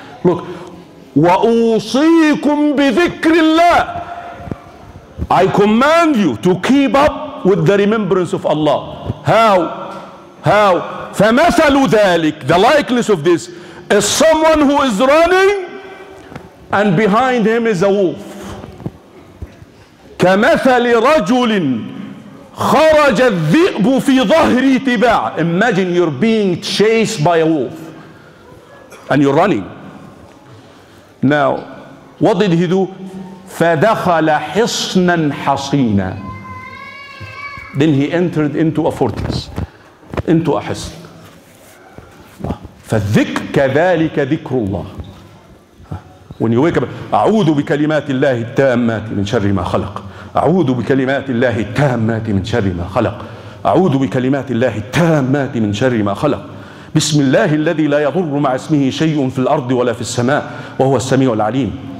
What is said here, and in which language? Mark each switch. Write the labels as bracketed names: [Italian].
[English] Look. [Arabic] وَأُوصِيكُمْ بِذِكْرِ اللَّهِ. [English] I command you to keep up with the remembrance of Allah. How? How? [Arabic] فَمَثَلُ ذَلِكَ. [English] The likeness of this is someone who is running and behind him is a wolf. [Arabic] كمثل رجل خرج الذئب في ظهر تباع. [English] Imagine you're being chased by a wolf and you're running. Now, what did he do? [Arabic] فدخل حصنا حصينا. [English] Then he entered into a fortress, into a حصن. [Arabic] فالذكر كذلك ذكر الله. [English] When you wake up, [Arabic] أعوذ بكلمات الله التامات من شر ما خلق. أعوذ بكلمات الله التامات من شر ما خلق. أعوذ بكلمات الله التامات من شر ما خلق. بسم الله الذي لا يضر مع اسمه شيء في الأرض ولا في السماء وهو السميع العليم.